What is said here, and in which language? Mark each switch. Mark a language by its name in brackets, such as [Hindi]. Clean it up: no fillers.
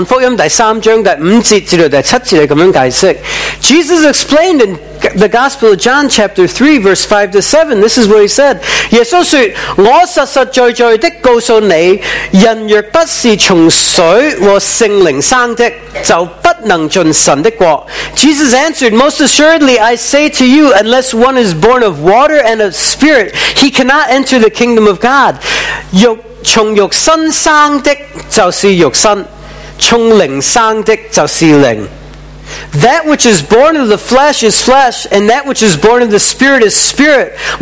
[Chinese] 那耶稣在约翰福音第三章第五节至第七节这样解释, [English] Jesus explained in the Gospel of John chapter 3 verse 5 to 7, this is what he said. [Chinese] 耶稣说,我实实在在的告诉你, 人若不是从水和圣灵生的,就不能进神的国. [English] Jesus answered, most assuredly I say to you, unless one is born of water and of spirit, he cannot enter the kingdom of God. [Chinese] 从肉身生的就是肉身,从灵生的就是灵. [English] That which is born of the flesh is flesh, and that which is born of the spirit is spirit.